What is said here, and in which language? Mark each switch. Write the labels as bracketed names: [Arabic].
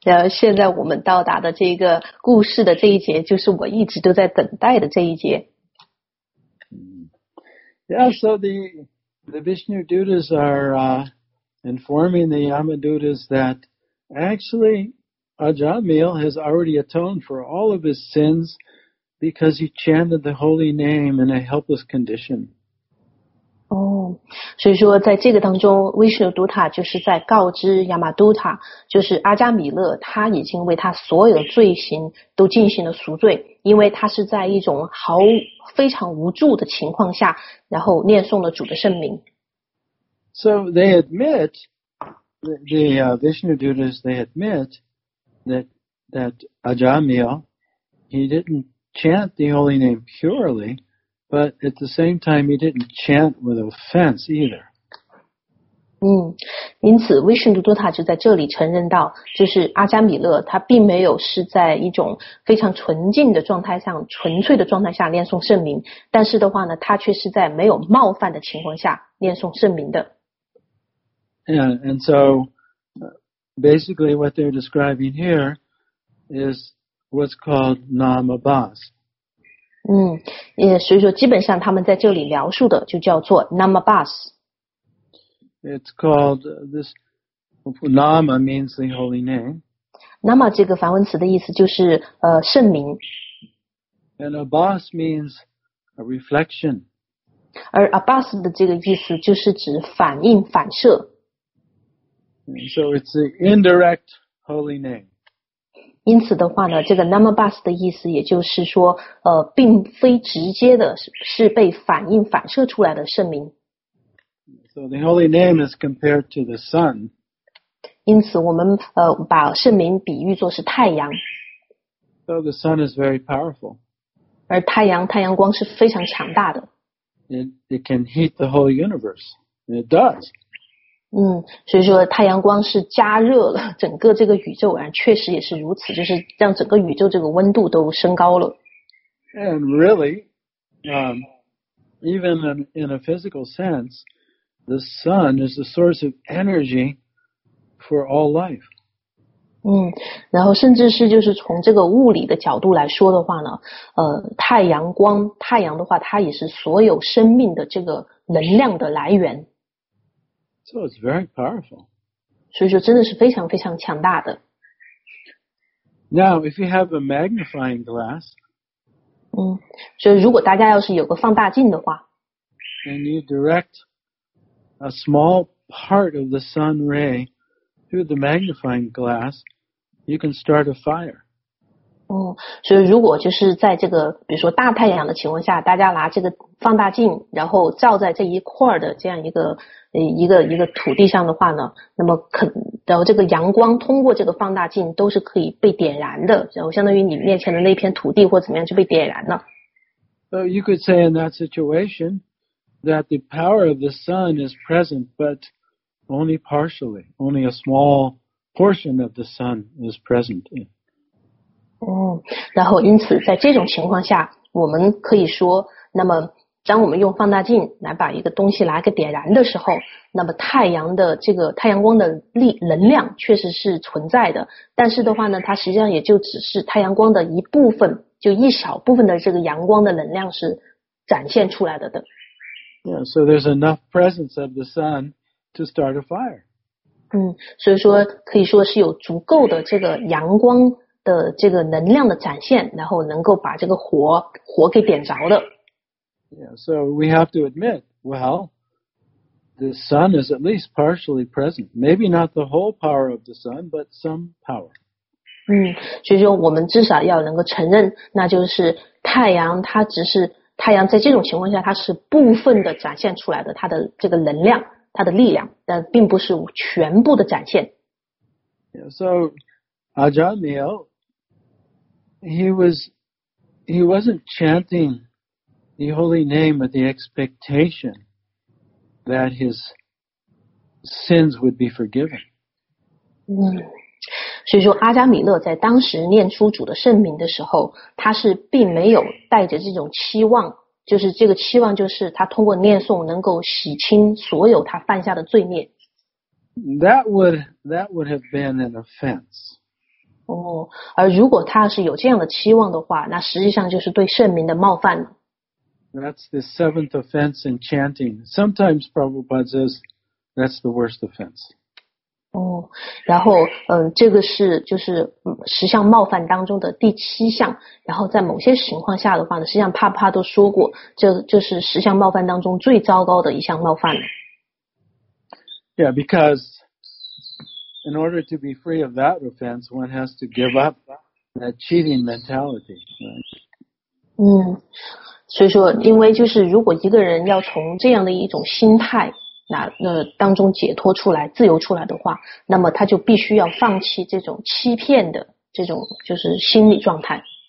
[Chinese] 现在我们到达的这个故事的这一节，就是我一直都在等待的这一节。 [English] Yeah, so the Vishnu Dutas are informing the Yama Dutas that actually Ajamil has already atoned for all of his sins because he chanted the holy name in a helpless condition. [Chinese] 所以说在这个当中 Vishnu Dutta 就是在告知 Yamadutta， 就是阿迦米勒他已经为他所有的罪行都进行了赎罪，因为他是在一种毫非常无助的情况下然后念诵了主的圣名。 [English] So they admit the Vishnu Dutas, they admit that Ajamil, he didn't chant the holy name purely, but at the same time, he didn't chant with offense either. [Chinese] 因此 Vishnu Dutta 就在这里承认到，就是阿迦米勒他并没有是在一种非常纯净的状态上，纯粹的状态下念诵圣名，但是的话呢，他却是在没有冒犯的情况下念诵圣名的。 [English] And so, basically what they're describing here is what's called Namabhas. [Chinese] 所以说基本上他们在这里描述的就叫做 Namabhas. [English] It's called this, Nama means the holy name. [Chinese] Nama 这个梵文词的意思就是圣名。 [English] And Abhas means a reflection. [Chinese] 而 Abhas 的这个意思就是指反应反射。 [English] So it's the indirect holy name. [Chinese] 因此的话呢，这个 Namabhas 的意思也就是说，并非直接的，是被反应反射出来的圣名。 [English] So the holy name is compared to the sun. [Chinese] 因此我们把圣名比喻作是太阳。 [English] So the sun is very powerful. [Chinese] 而太阳光是非常强大的。 [English] It can heat the whole universe. And it does. [Chinese] 所以说太阳光是加热了整个这个宇宙，而确实也是如此，就是让整个宇宙这个温度都升高了。 [English] And really, even in a physical sense, the sun is the source of energy for all life. [Chinese] 然后甚至是就是从这个物理的角度来说的话呢，太阳的话，它也是所有生命的这个能量的来源。 [English] So it's very powerful. [Chinese] 所以说真的是非常非常强大的。 [English] Now, if you have a magnifying glass, [Chinese] 所以如果大家要是有个放大镜的话， [English] and you direct a small part of the sun ray through the magnifying glass, you can start a fire. [Chinese] 所以如果就是在这个比如说大太阳的情况下，大家拿这个放大镜然后照在这一块的这样一个土地上的话呢，那么然后这个阳光通过这个放大镜都是可以被点燃的，然后相当于你面前的那片土地或怎么样就被点燃了。 [English] So you could say in that situation that the power of the sun is present, but only partially, only a small portion of the sun is present. [Chinese] 然后因此在这种情况下，我们可以说，那么当我们用放大镜来把一个东西拿给点燃的时候，那么太阳的这个太阳光的力能量确实是存在的，但是的话呢，它实际上也就只是太阳光的一部分，就一小部分的这个阳光的能量是展现出来的。 [English] Yeah, so there's enough presence of the sun to start a fire. [Chinese] 所以说可以说是有足够的这个阳光的这个能量的展现，然后能够把这个火给点着的。 [English] Yeah, so we have to admit, well, the sun is at least partially present. Maybe not the whole power of the sun, but some power. [Chinese] 所以说我们至少要能够承认，那就是太阳在这种情况下它是部分的展现出来的它的这个能量，它的力量，但并不是全部的展现。 [English] Yeah, so, Ajahn Mill, he wasn't chanting the holy name with the expectation that his sins would be forgiven. [Chinese] 所以说阿加米勒在当时念出主的圣名的时候，他是并没有带着这种期望，就是这个期望就是他通过念诵能够洗清所有他犯下的罪孽。 [English] That would have been an offense. [Chinese] 而如果他是有这样的期望的话，那实际上就是对圣名的冒犯了。 [English] That's the seventh offense in chanting. Sometimes Prabhupada says that's the worst offense. [Chinese] 然后这个是就是十项冒犯当中的第七项，然后在某些情况下的话呢，实际上帕帕都说过，这就是十项冒犯当中最糟糕的一项冒犯了。 [English] Yeah, because in order to be free of that offense, one has to give up that cheating mentality, right? [Chinese] 所以说因为就是如果一个人要从这样的一种心态当中解脱出来，自由出来的话，那么他就必须要放弃这种欺骗的这种就是心理状态。